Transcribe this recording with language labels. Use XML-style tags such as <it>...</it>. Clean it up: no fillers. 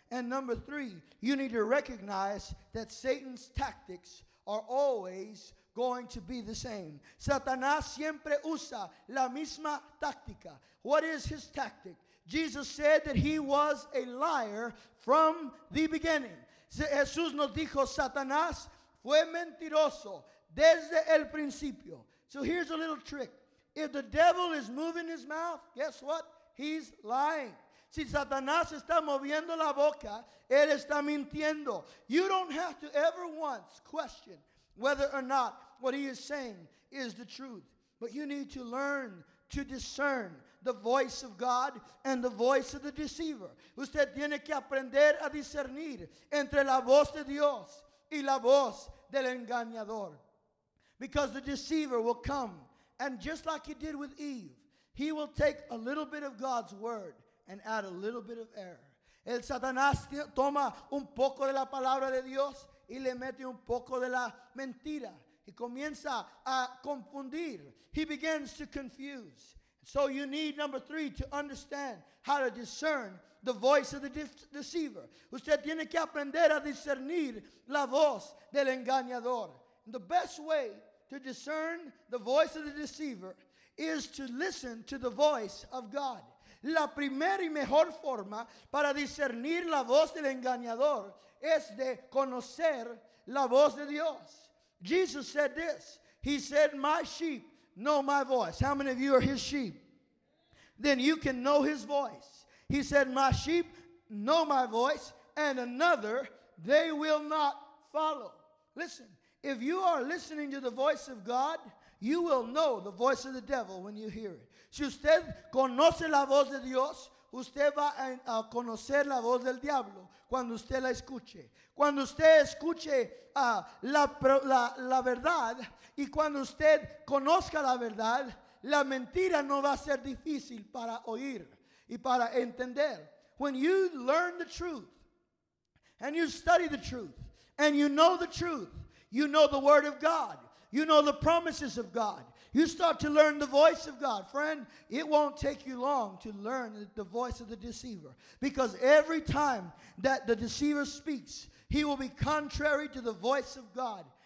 <en>And number three, you need to recognize that Satan's tactics are always going to be the same.</en> <es>Satanás siempre usa la misma táctica.</es> <en>What is his tactic? Jesus said that he was a liar from the beginning.</en> <es>Jesús nos dijo, Satanás fue mentiroso desde el principio.</es> <en>So here's a little trick. If the devil is moving his mouth, guess what? He's lying.</en> <es>Si Satanás está moviendo la boca, él está mintiendo.</es> <en>You don't have to ever once question whether or not what he is saying is the truth. But you need to learn to discern the voice of God and the voice of the deceiver.</en> <es>Usted tiene que aprender a discernir entre la voz de Dios y la voz del engañador.</es> <en>Because the deceiver will come, and just like he did with Eve, he will take a little bit of God's word and add a little bit of error.</en> <es>El Satanás toma un poco de la palabra de Dios y le mete un poco de la mentira.</es> <en>He</en> <es>comienza a confundir.</es> <en>He begins to confuse. So you need, number three, to understand how to discern the voice of the deceiver.</en> <es>Usted tiene que aprender a discernir la voz del engañador.</es> <en>The best way to discern the voice of the deceiver is to listen to the voice of God.</en> <es>La primera y mejor forma para discernir la voz del engañador es de conocer la voz de Dios.</es> <en>Jesus said this. He said, my sheep know my voice. How many of you are his sheep? Then you can know his voice. He said, my sheep know my voice, and another they will not follow. Listen, if you are listening to the voice of God, you will know the voice of the devil when you hear it.</en> <es>Si usted conoce la voz de Dios, usted va a conocer la voz del diablo cuando usted la escuche. Cuando usted escuche la verdad y cuando usted conozca la verdad, la mentira no va a ser difícil para oír y para entender.</es> <en>When you learn the truth and you study the truth and you know the truth, you know the word of God, you know the promises of God, you start to learn the voice of God. Friend, it won't take you long to learn the voice of the deceiver, because every time that the deceiver speaks, he will be contrary to the voice of God.</en>